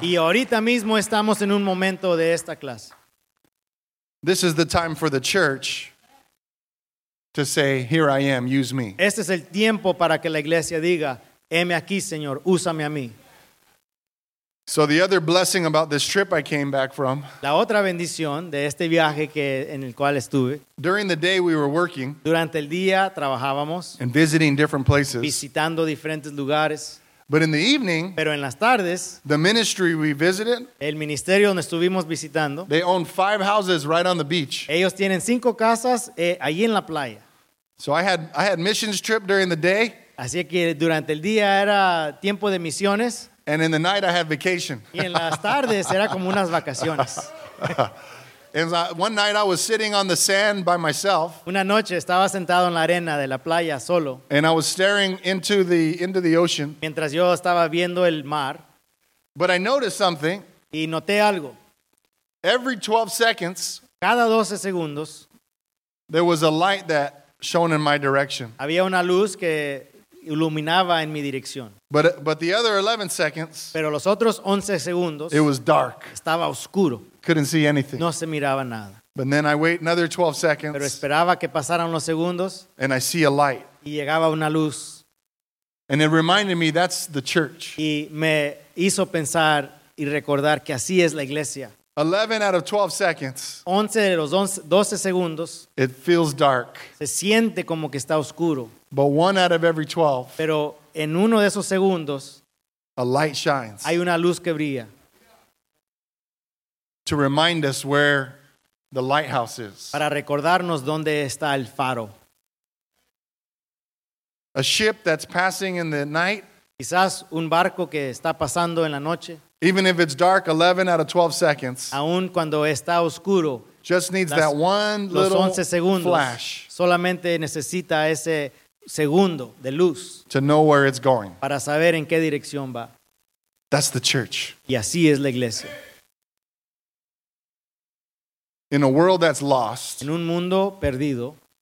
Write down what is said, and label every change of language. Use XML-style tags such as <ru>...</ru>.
<es>Y ahorita mismo estamos en un momento de esta clase.</es> <en>This is the time for the church to say, "Here I am, use me."</en> <es>Este es el tiempo para que la iglesia diga, "Heme aquí, Señor, úsame a mí."</es> <en>So the other blessing about this trip I came back from.</en> <es>La otra bendición de este viaje que en el cual estuve.</es> <en>During the day we were working.</en> <es>Durante el día trabajábamos.</es> <en>And visiting different places.</en> <es>Visitando diferentes lugares.</es> <en>But in the evening.</en> <es>Pero en las tardes.</es> <en>The ministry we visited.</en> <es>El ministerio donde estuvimos visitando.</es> <en>They own 5 houses right on the beach.</en> <es>Ellos tienen 5 casas allí en la playa.</es> <en>So I had missions trip during the day.</en> <es>Así que durante el día era tiempo de misiones.</es> <en>And in the night I had vacation.</en> <es>Y en las tardes era como unas vacaciones.</es> <en>And one night I was sitting on the sand by myself.</en> <es>Una noche estaba sentado en la arena de la playa solo.</es> <en>And I was staring into the ocean.</en> <es>Mientras yo estaba viendo el mar.</es> <en>But I noticed something.</en> <es>Y noté algo.</es> <en>Every 12 seconds.</en> <es>Cada 12 segundos.</es> <en>There was a light that shone in my direction.</en> <es>Había una luz que iluminaba en mi dirección.</es> <en>But the other 11 seconds.</en> <es>Pero los otros 11 segundos.</es> <en>It was dark.</en> <es>Estaba oscuro.</es> <en>Couldn't see anything.</en> <es>No se miraba nada.</es> <en>But then I wait another 12 seconds.</en> <es>Pero esperaba que pasaran los segundos.</es> <en>And I see a light.</en> <es>Y llegaba una luz.</es> <en>And it reminded me that's the church.</en> <es>Y me hizo pensar y recordar que así es la iglesia.</es> <en>11 out of 12 seconds.</en> <es>11 de los 12 segundos.</es> <en>It feels dark.</en> <es>Se siente como que está oscuro.</es> <en>But one out of every 12.</en> <es>Pero en uno de esos segundos.</es> <en>A light shines.</en> <es>Hay una luz que brilla.</es> <en>To remind us where the lighthouse is.</en> <es>Para recordarnos dónde está el faro.</es> <en>A ship that's passing in the night.</en> <es>Quizás un barco que está pasando en la noche.</es> <en>Even if it's dark, 11 out of 12 seconds.</en> <es>Aún cuando está oscuro.</es> <en>Just needs that one little</en> <es>11 segundos,</es> <en>flash.</en> <es>Solamente necesita ese segundo de luz.</es> <en>To know where it's going.</en> <es>Para saber en qué dirección va.</es> <en>That's the church.</en> <es>Y así es la iglesia.</es> <en>In a world that's lost.</en> <es>En un mundo perdido.</es>